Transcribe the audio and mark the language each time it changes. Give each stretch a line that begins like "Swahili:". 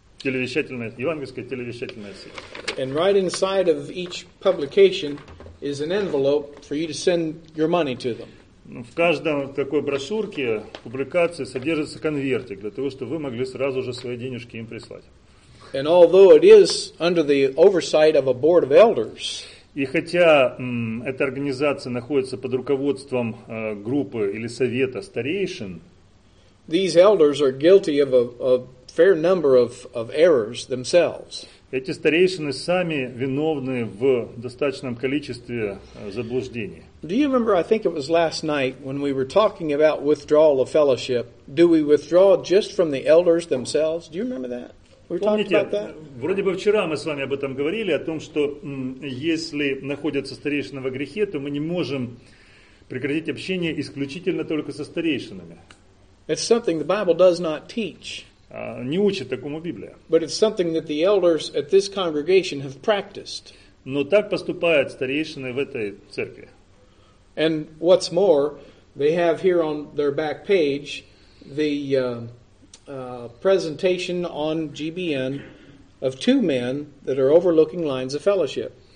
Russian: Евангельская телевещательная сеть.
English: And right inside of each publication is an envelope for you to send your money to them.
Russian: В каждом такой брошюрке, публикации содержится конвертик для того, чтобы вы могли сразу же свои денежки им прислать.
English: And although it is under the oversight of a board of elders,
Russian: и хотя эта организация находится под руководством группы или совета старейшин,
English: these elders are guilty of a fair number of errors themselves.
Russian: Эти старейшины сами виновны в достаточном количестве заблуждений.
English: Do you remember, I think it was last night, when we were talking about withdrawal of fellowship, do we withdraw just from the elders themselves? Do you remember that?
Russian: Помните, вроде бы вчера мы с вами об этом говорили, о том, что если находятся старейшины во грехе, то мы не можем прекратить общение исключительно только со старейшинами.
English: It's something the Bible does not teach.
Russian: Не учит такому Библия.
English: But it's something that the elders at this congregation have practiced.
Russian: Но так поступают старейшины в этой церкви.
English: And what's more, they have here on their back page the presentation on GBN of two men that are overlooking lines of fellowship.